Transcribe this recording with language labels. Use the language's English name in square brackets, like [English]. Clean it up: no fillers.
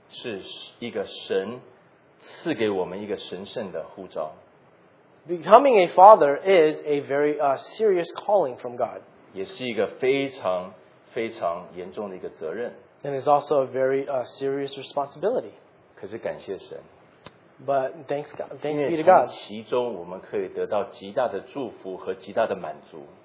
[Chinese] 是一个神赐给我们一个神圣的呼召。 [English] Becoming a father is a very serious calling from God. [Chinese] 也是一个非常非常严重的一个责任。 [English] And it's also a very serious responsibility. [Chinese] 可是感谢神。 [English] But thanks God, thanks be to God. [Chinese] 其中我们可以得到极大的祝福和极大的满足。